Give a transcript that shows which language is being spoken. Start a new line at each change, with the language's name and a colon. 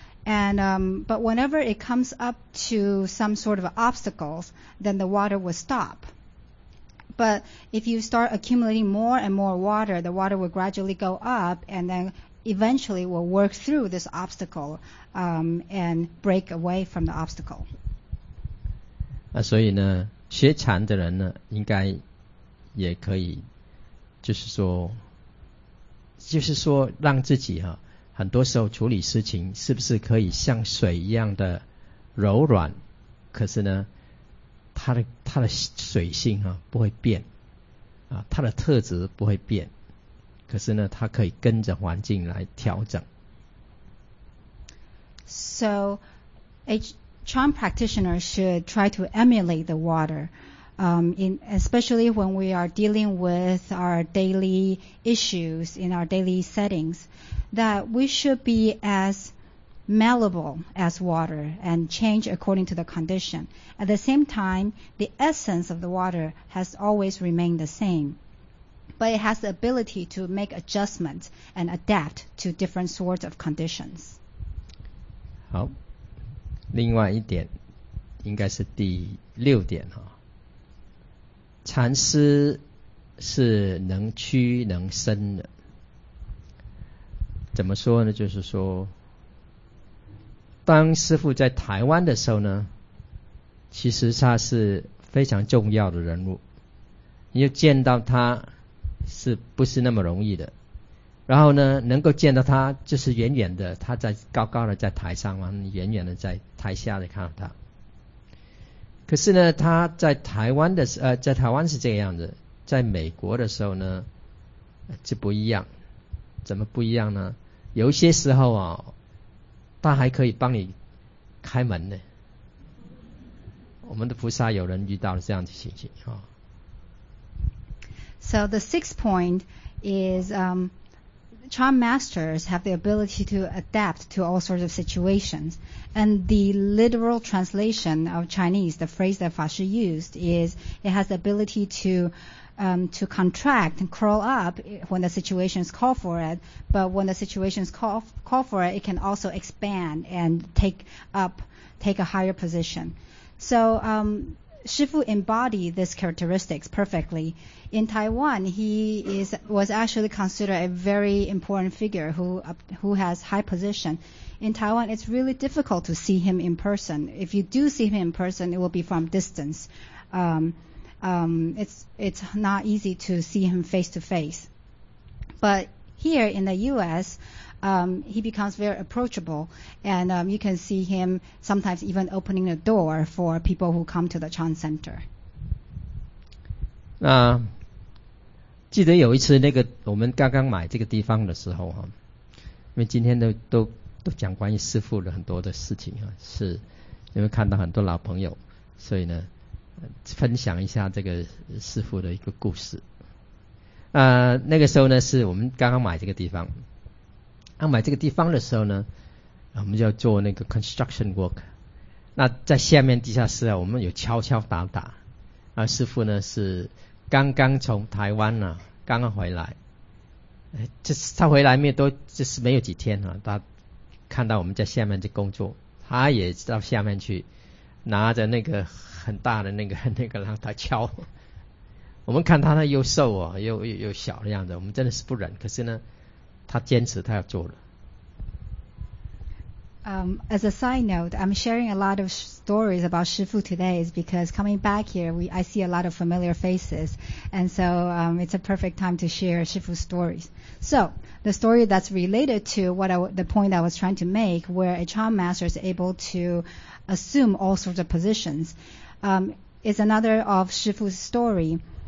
English: And, but whenever it comes up to some sort of obstacles, then the water will stop. But if you start accumulating more and more water, the water will gradually go up and then eventually will work through this obstacle and break away from the obstacle.
Chinese: 所以呢学禅的人呢应该也可以就是说让自己很多时候处理事情是不是可以像水一样的柔软，可是呢它的水性不会变它的特质不会变，可是呢它可以跟着环境来调整。
English: So a Chan practitioner should try to emulate the water especially when we are dealing with our daily issues in our daily settings, that we should be asmalleable as water and change according to the condition. At the same time, the essence of the water has always remained the same, but it has the ability to make adjustments and adapt to different sorts of conditions.
Chinese: 好，另外一点应该是第六点禅师是能屈能伸的。怎么说呢？就是说，当师父在台湾的时候呢，其实他是非常重要的人物，你要见到他是不是那么容易的。然后呢，能够见到他就是远远的，他在高高的在台上，远远的在台下的看到他。可是呢，他在台湾的在台湾是这个样子，在美国的时候呢就不一样。怎么不一样呢？有些时候啊，他还可以帮你开门呢。我们的菩萨有人遇到了这样的情形啊。
English: So the sixth point is charm masters have the ability to adapt to all sorts of situations. And the literal translation of Chinese, the phrase that Fa Shi used, is it has the ability to contract and crawl up when the situations call for it. But when the situations call for it, it can also expand and take a higher position. So, Shifu embodied this characteristics perfectly. In Taiwan, he was actually considered a very important figure who has high position. In Taiwan, it's really difficult to see him in person. If you do see him in person, it will be from distance. It's not easy to see him face to face. But here in the U.S., he becomes very approachable, and you can see him sometimes even opening the door for people who come to the Chan Center.
Chinese: 那记得有一次那个我们刚刚买这个地方的时候，因为今天都讲关于师父的很多的事情，是因为看到很多老朋友，所以呢分享一下这个师父的一个故事。那个时候呢是我们刚刚买这个地方，买这个地方的时候呢，我们就要做那个
English: construction work。
Chinese: 那在下面地下室啊，我们有敲敲打打。啊，师父呢是刚刚从台湾呢、啊，刚刚回来。他回来没有多，就是没有几天啊。他看到我们在下面在工作，他也到下面去，拿着那个很大的那个，让他敲。我们看他呢又瘦啊，又小的样子，我们真的是不忍。可是呢。他坚持他要做了。
English: As a side note, I'm sharing a lot of stories about Shifu today is because coming back here, I see a lot of familiar faces. And so it's a perfect time to share Shifu's stories. So the story that's related to the point I was trying to make, where a charm master is able to assume all sorts of positions, is another of Shifu's story.